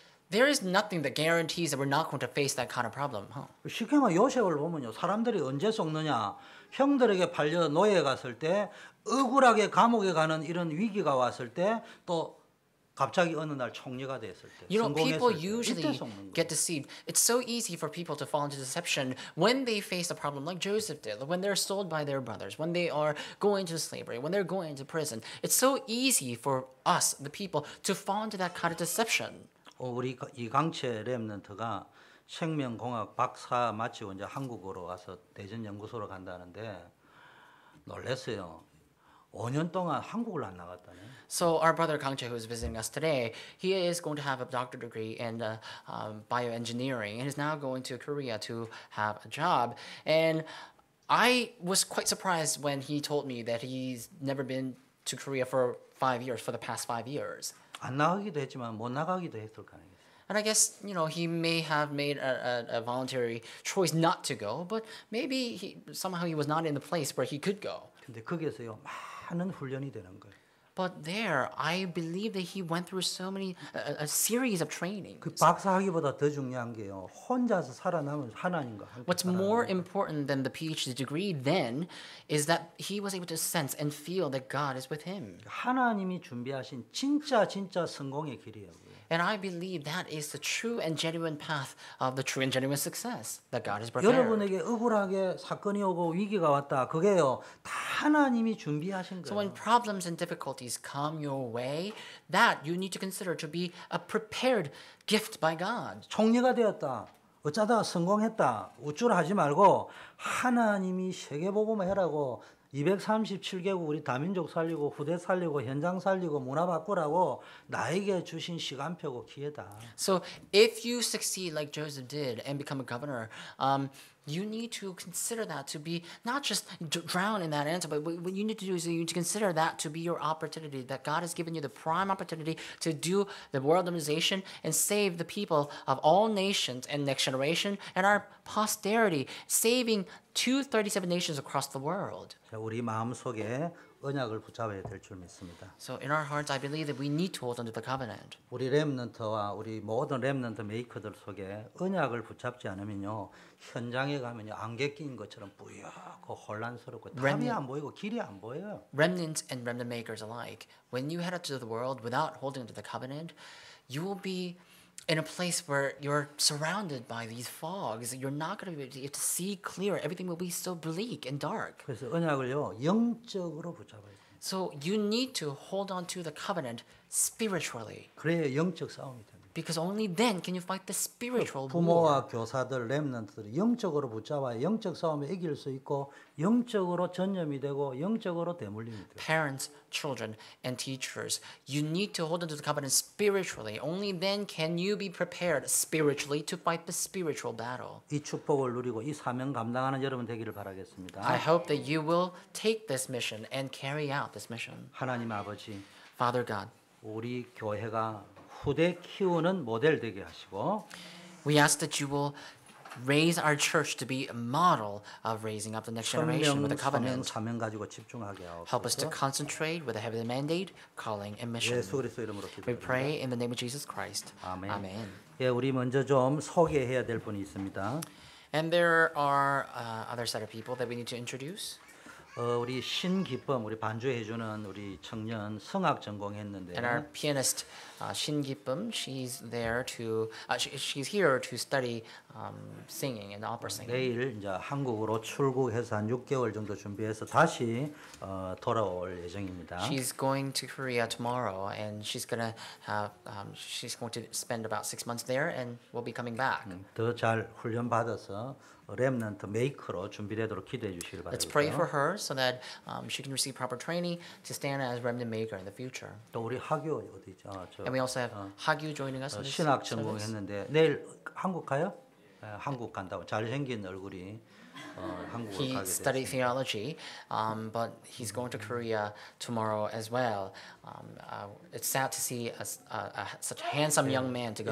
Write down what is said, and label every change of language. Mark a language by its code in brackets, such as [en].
[en] There is nothing that guarantees that we're not going to face that kind of problem. Huh? [ko] 쉽게 말해 요셉을 보면요, 사람들이 언제 속느냐? 형들에게 팔려 노예 갔을 때, 억울하게 감옥에 가는 이런 위기가 왔을 때, 또 갑자기 어느 날 총리가 됐을 때, 성공했을 때, 이때 속는 거예요. [en] You know, people usually get deceived. It's so easy for people to fall into deception when they face a problem like Joseph did, when they're sold by their brothers, when they are going into slavery, when they're going into prison. It's so easy for us, the people, to fall into that kind of deception. [ko] 우리 이강채 렘넌트가 생명공학 박사 마치고 이제 한국으로 와서 대전연구소로 간다는데 놀랐어요. 5년 동안 한국을 안 나갔다네. [en] So our brother 강채 who is visiting us today, he is going to have a doctor degree in bioengineering and is now going to Korea to have a job. And I was quite surprised when he told me that he's never been to Korea for 5 years, for the past 5 years. [ko] 안 나가기도 했지만 못 나가기도 했을 가능성이. [en] And I guess, you know, he may have made a voluntary choice not to go, but maybe somehow he was not in the place where he could go. [ko] 근데 거기에서요 많은 훈련이 되는 거예요. [en] But there, I believe that he went through so many a series of trainings. [ko] 그 박사학위보다 더 중요한 게요, 혼자서 살아남은 하나님과 함께. [en] What's more important than the PhD degree then is that he was able to sense and feel that God is with him. [ko] 하나님이 준비하신 진짜 성공의 길이에요. [en] And I believe that is the true and genuine path of the true and genuine success that God has prepared. [ko] 여러분에게 억울하게 사건이 오고 위기가 왔다. 그게요. 다 하나님이 준비하신 거예요. [en] So when problems and difficulties come your way, that you need to consider to be a prepared gift by God. [ko] 총리가 되었다. 어쩌다 성공했다. 우쭐하지 말고 하나님이 세계복음을 해라고 237개국 우리 다민족 살리고 후대 살리고 현장 살리고 문화 바꾸라고 나에게 주신 시간표고 기회다. [en] So if you succeed like Joseph did and become a governor, you need to consider that to be not just drown in that answer, but what you need to do is you need to consider that to be your opportunity, that God has given you the prime opportunity to do the world organization and save the people of all nations and next generation and our posterity, saving 237 nations across the world. [ko] 우리 마음속에 언약을 붙잡아야 될 줄 믿습니다. [en] So in our hearts, I believe that we need to hold onto the covenant. [ko] 우리 렘넌트와 우리 모든 렘넌트 메이커들 속에 언약을 붙잡지 않으면요, 현장에 가면요 안개 낀 것처럼 뿌옇고 혼란스럽고 답이 안 보이고 길이 안 보여요. [en] Remnants and remnant makers alike, when you head out to the world without holding onto the covenant, you will be in a place where you're surrounded by these fogs, you're not going to be able to see clear. Everything will be so bleak and dark. [ko] 그래서 언약을요 영적으로 붙잡아요. [en] So you need to hold on to the covenant spiritually. [ko] 그래야 영적 싸움이 됩니다. [en] Because only then can you fight the spiritual [ko] 부모와 부모와 교사들, 렘넌트들 영적으로 붙잡아 영적 싸움에 이길 수 있고 영적으로 전염이 되고 영적으로 대물림이 돼요. [en] Parents, children, and teachers, you need to hold on to the covenant spiritually. Only then can you be prepared spiritually to fight the spiritual battle. [ko] 이 축복을 누리고 이 사명 감당하는 여러분 되기를 바라겠습니다. [en] I hope that you will take this mission and carry out this mission. [ko] 하나님 아버지, [en] Father God, [ko] 우리 교회가 후대 키우는 모델 되게 하시고, [en] we ask that you will raise our church to be a model of raising up the next generation [ko] 선명, [en] with the covenant. [ko] 사명, 사명 가지고 집중하게 하옵소서. [en] Help us to concentrate with a heavenly mandate, calling and mission. [ko] 예수 그리스도 이름으로 기도합니다. [en] We pray in the name of Jesus Christ. [ko] 아멘. 아멘. 예, 우리 먼저 좀 소개해야 될 분이 있습니다. [en] And there are other set of people that we need to introduce. [ko] 우리 신기범 우리 반주해 주는 우리 청년 성악 전공했는데 [en] And our pianist 신기범 she's there to she's here to study singing and opera singing. [ko] 내일 이제 한국으로 출국해서 한 6개월 정도 준비해서 다시 돌아올 예정입니다. [en] She's going to Korea tomorrow and she's going to have she's going to spend about 6 months there and will be coming back. [ko] 더 잘 훈련 받아서 Remnant maker로 준비되도록 기도해 주시길 바랍니다. [en] Let's pray for her so that she can receive proper training to stand as remnant maker in the future. [ko] 또 우리 학교 어디죠? [en] 저, and we also have Hagyu joining us. [ko] 신학 전공했는데 내일 한국 가요? 네, 한국 간다고 잘생긴 얼굴이 한국 가게 됐어요. [en] He studied theology, but he's going to Korea tomorrow as well. It's sad to see such a handsome young man to go.